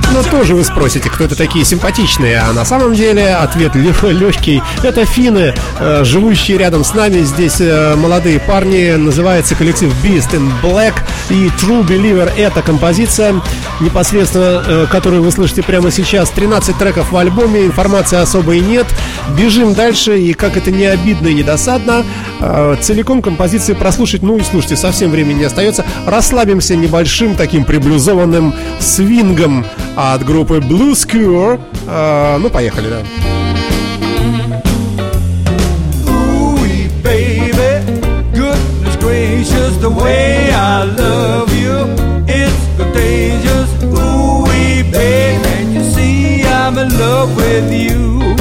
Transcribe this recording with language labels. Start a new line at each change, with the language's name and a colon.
Russian: Тоже вы спросите, кто это такие симпатичные? А на самом деле ответ легкий. Это финны, живущие рядом с нами. Здесь молодые парни. Называется коллектив Beast in Black. И True Believer — это композиция, непосредственно которую вы слышите прямо сейчас. 13 треков в альбоме, информации особой нет. Бежим дальше. И как это не обидно и не досадно, целиком композиции прослушать. Ну и слушайте, совсем времени не остается. Расслабимся небольшим таким приблюзованным свингом от группы Bluescure. Ну, поехали, да.
English: Ooh, baby, goodness gracious, the way I love you, it's contagious. Ooh, baby, and you see I'm in love with you.